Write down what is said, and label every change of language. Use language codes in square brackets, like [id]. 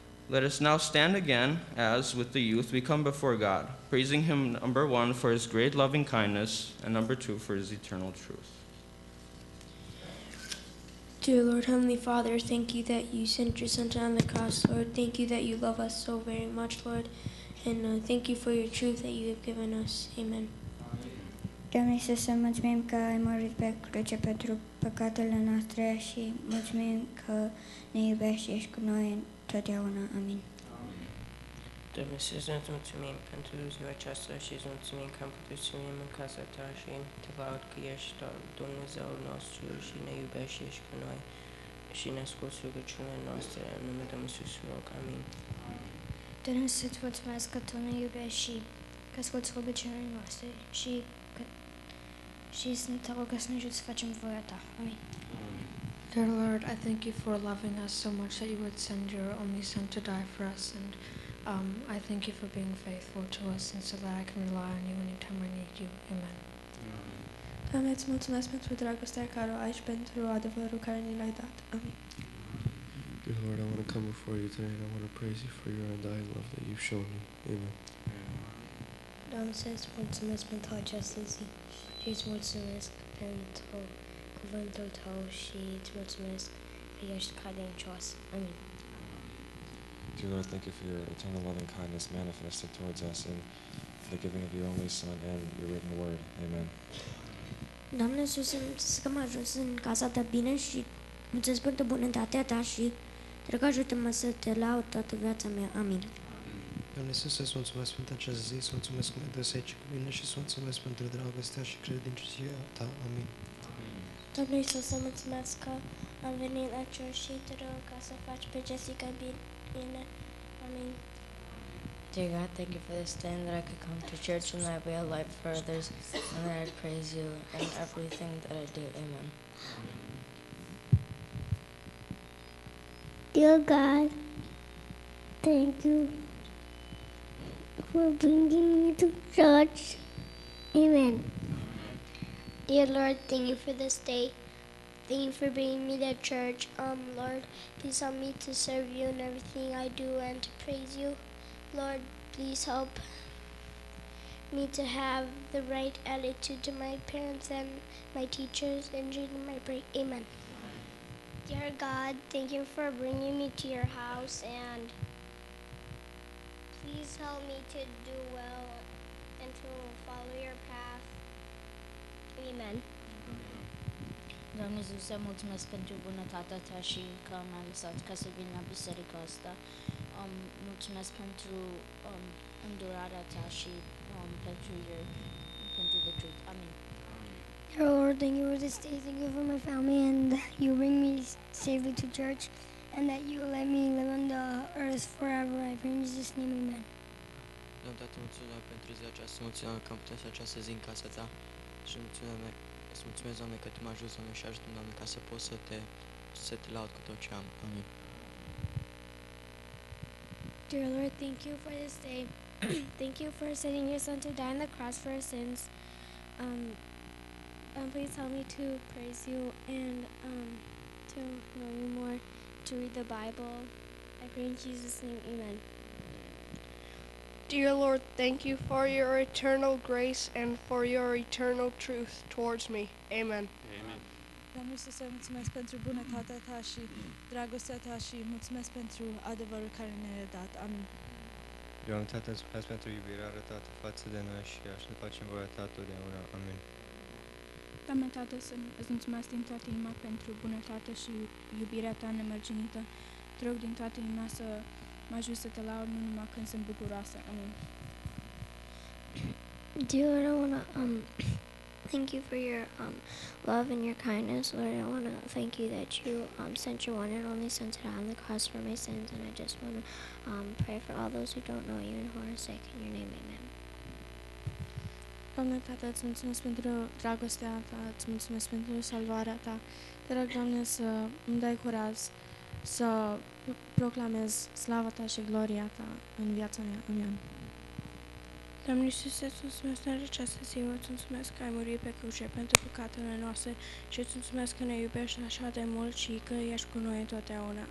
[en] Let us now stand again as, with the youth, we come before God, praising him, number one, for his great loving kindness, and number two, for his eternal truth. Dear Lord, Heavenly Father, thank you that you sent your Son down on the cross, Lord. Thank you that you love us so very much, Lord. And thank you for your truth that you have given us. Amen. [ro] Doamne, să mulțumim că ai murit pe cruce pentru păcatele noastre și mulțumim că ne iubești și ești cu noi întotdeauna. Amin. Doamne, să mulțumim pentru ziua aceasta și să mulțumim că am putut să în casa ta și te laud că ești Dumnezeul nostru și ne iubești și ești cu noi și ne ascult rugăciunile noastre în numele Domnului Iisus, rog. Amin. Doamne, să-ți mulțumesc că tu ne iubești și că asculti rugăciunile noastre și să te rog să ne ajuți să facem voia ta. Amin. [en] Dear Lord, I thank you for loving us so much that you would send your only Son to die for us, and I thank you for being faithful to us and so that I can rely on you anytime I need you. Amen. [ro] Doamne, îți mulțumesc pentru dragostea care o ai și pentru adevărul care ni l-ai dat. Amin. [en] Dear Lord, I want to come before you tonight. I want to praise you for your undying love that you've shown me. Amen. [ro] Doamne, îți mulțumesc pentru această zi. Și îți mulțumesc pentru cuvântul tău și îți mulțumesc că ești credincios. Amin. [en] Dear Lord, thank you for your eternal love and kindness manifested towards us in the giving of your only Son and your written word. Amen. [ro] Doamne Iisus, să mă ajut în casa ta bine și mulțumesc pentru bunătatea ta și te rog ajută-mă să te laud toată viața mea. Amin. Doamne Iisus, să-ți mulțumesc pentru această zi, să mulțumesc cu mine să cu mine și să mulțumesc pentru dragostea și credincioșia ta. Amin. Doamne Iisus, să mulțumesc că am venit la cer și te rog ca să faci pe Jessica bine. [en] Amen. Dear God, thank you for this day that I could come to church and that I be a light for others and that I praise you in everything that I do. Amen. Dear God, thank you for bringing me to church. Amen. Dear Lord, thank you for this day. Thank you for bringing me to church. Lord, please help me to serve you in everything I do and to praise you. Lord, please help me to have the right attitude to my parents and my teachers and during my break. Amen. Dear God, thank you for bringing me to your house and please help me to do well and to follow your path. Amen. [ro] Doamne Iisus, mulțumesc pentru bunătatea ta și că m-ai lăsat ca să vin la biserica asta. Mulțumesc pentru îndurarea ta și pentru [en] the truth. [ro] Amin. [en] Dear Lord, Lord, thank you for this day. Thank you for my family and that you bring me safely to church and that you let me live on the earth forever. I pray in Jesus' name, amen. Doamne, Tată, mulțumesc pentru ziua aceasta. Mulțumesc că am putut să această zi în casa ta. Și mulțumesc, Doamne, că tu m-ai ajutat, Doamne, și ajută-mi, Doamne, ca să pot să te laud cu tot ce am. Amin. Dear Lord, thank you for this day. Thank you for sending your son to die on the cross for our sins. Please help me to praise you and to know you more, to read the Bible. I pray in Jesus' name, amen. Dear Lord, thank you for your eternal grace and for your eternal truth towards me. Amen. [ro] Doamne Iisus, eu mulțumesc pentru bunătatea ta și dragostea ta și mulțumesc pentru adevărul care ne-ai dat. Amin. Doamne, Tată, mulțumesc pentru iubirea arătată față de noi și așa ne facem voia ta totdeauna. Amin. Doamne, Tată, îți mulțumesc din toată inima pentru bunătatea și iubirea ta nemărginită. Te rog din toată inima să mă ajut să te laud nu numai când sunt bucuroasă. Amin. Dear Lord, thank you for your love and your kindness, Lord. I want to thank you that you sent your one and only Son to die on the cross for my sins, and I just want to pray for all those who don't know you and who are sick. In your name, amen. Doamne, Tată, îți mulțumesc pentru dragostea ta, îți mulțumesc pentru salvarea ta. Te rog, Doamne, să îmi dai curaj să proclamez slava ta și gloria ta în viața mea. [en] Amen. [ro] Doamne Iisuse, îți mulțumesc pentru această zi, îți mulțumesc că ai murit pe cruce pentru păcatele noastre și îți mulțumesc că ne iubești așa de mult și că ești cu noi întotdeauna.